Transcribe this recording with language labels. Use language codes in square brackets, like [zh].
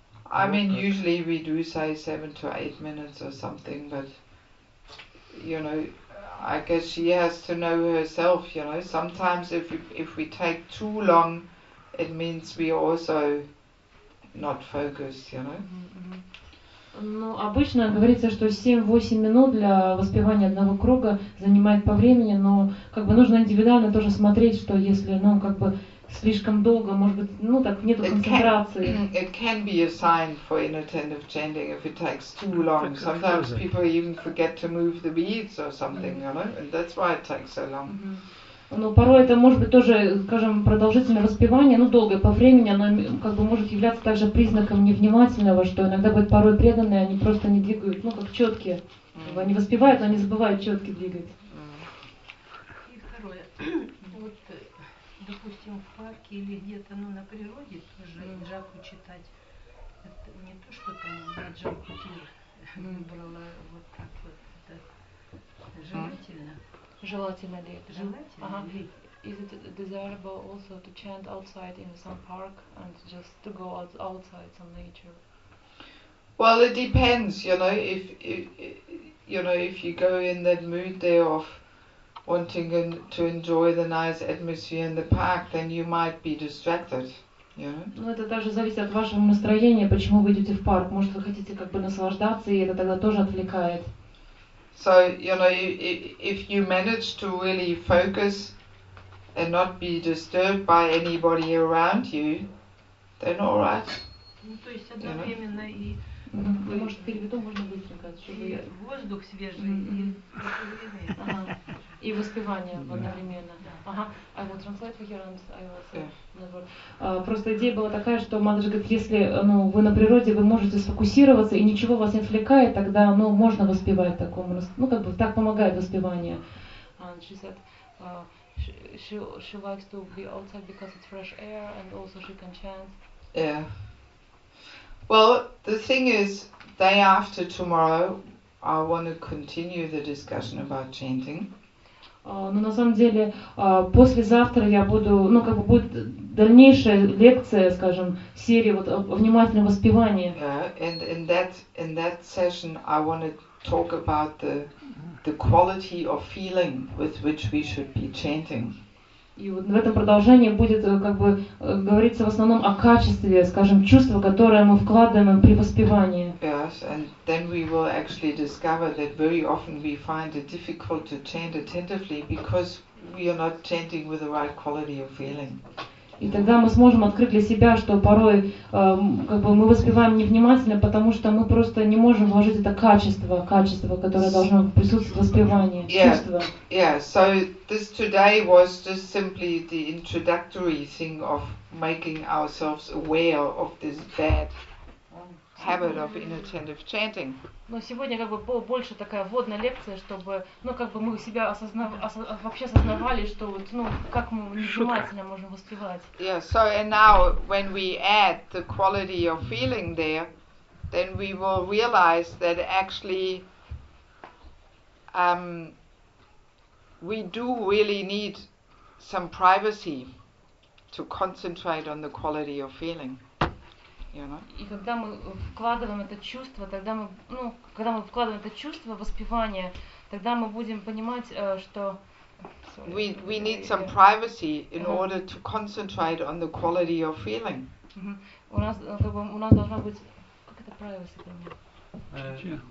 [en] I mean, usually we do say 7 to 8 minutes or something, but, you know, I guess she has to know herself, you know. Sometimes if we take too long, it means we also not focused, you know. [ru] Ну, обычно говорится, что 7-8 минут для воспевания одного круга занимает по времени, но как бы нужно индивидуально тоже смотреть, что если, ну, как бы... Слишком долго, может быть, ну так нету концентрации. [en] It can be a sign for inattentive chanting if it takes too long. Sometimes people even forget to move the beads or something, you know, and that's why it takes so long. [ru] Ну порой это может быть тоже, скажем, продолжительное воспевание, ну долгое по времени, оно как бы может являться также признаком невнимательного, что иногда будет порой преданные, они просто не двигают, ну как четки, они воспевают, но они забывают четки двигать. И второе. Допустим, в парке или где-то, ну, на природе тоже джапу читать. Это не то, что там на джапути брала вот так вот. Это желательно. Желательно ли это? Желательно ли? [en] Is it desirable also to chant outside in some park and just to go outside some nature? Well, it depends, you know, if you go in that mood there of wanting to enjoy the nice atmosphere in the park, then you might be distracted, you know? [ru] Ну, это также зависит от вашего настроения, почему вы идете в парк. Может, вы хотите как бы наслаждаться, и это тогда тоже отвлекает. [en] So, you know, if you manage to really focus and not be disturbed by anybody around you, then all right. [ru] Ну, то есть одновременно и... Вы, может, переведу, можно быстренько, чтобы... И воздух свежий, и... И воспевание одновременно. [en] Ага. I will translate for you and I will say another. [ru] Просто идея была такая, что Мадхаджи говорит, если ну, вы на природе, вы можете сфокусироваться и ничего вас не отвлекает, тогда ну, можно воспевать такому. Ну, как бы так помогает воспевание. [en] She likes to be outside because it's fresh air and also she can chant. Yeah. Well, the thing is, day after tomorrow, I want to continue the discussion about chanting. [ru] Но на самом деле, послезавтра я буду, ну как бы будет дальнейшая лекция, скажем, серия вот внимательного воспевания. [en] Yeah. And in that session, I want to talk about the quality of feeling with which we should be chanting. [ru] И вот в этом продолжении будет как бы говориться в основном о качестве, скажем, чувства, которое мы вкладываем при воспевании. [en] Yes, and then we will actually discover that very often we find it difficult to chant attentively because we are not chanting with the right quality of feeling. [ru] И тогда мы сможем открыть для себя, что порой как бы мы воспеваем невнимательно, потому что мы просто не можем вложить это качество, которое должно присутствовать в воспевании, [en] yeah. [ru] Чувство. [en] Yeah, so this today was just simply the introductory thing of making ourselves aware of this bad habit of inattentive chanting. [ru] Но сегодня как бы была больше такая вводная лекция, чтобы, ну, как бы мы себя вообще осознавали, что вот, ну, как мы внимательно можем воспевать. [en] Yeah, so and now when we add the quality of feeling there, then we will realize that actually we do really need some privacy to concentrate on the quality of feeling. [ru] И когда мы вкладываем это чувство, тогда мы, ну, когда мы вкладываем это чувство воспевания, тогда мы будем понимать, что [en] we need some privacy in order to concentrate on the quality of feeling. [ru] У нас как бы у нас должна быть как это privacy там.